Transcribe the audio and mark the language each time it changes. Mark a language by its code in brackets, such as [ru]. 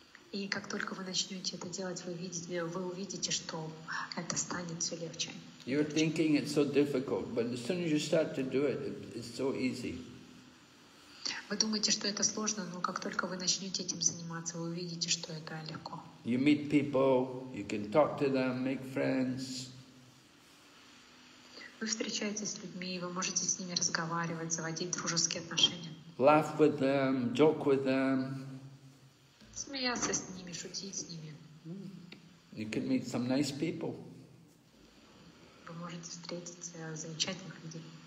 [ru] И как только вы начнете это делать, вы увидите, что это станет все легче. [en] You're thinking it's so difficult, but as soon as you start to do it, it's so easy. [ru] Вы думаете, что это сложно, но как только вы начнете этим заниматься, вы увидите, что это легко. [en] You meet people, you can talk to them, make friends. [ru] Вы встречаетесь с людьми, вы можете с ними разговаривать, заводить дружеские отношения. [en] Laugh with them, joke with them. [ru] Смеяться с ними, шутить с ними. [en] You can meet some nice people. [ru] Вы можете встретить замечательных людей.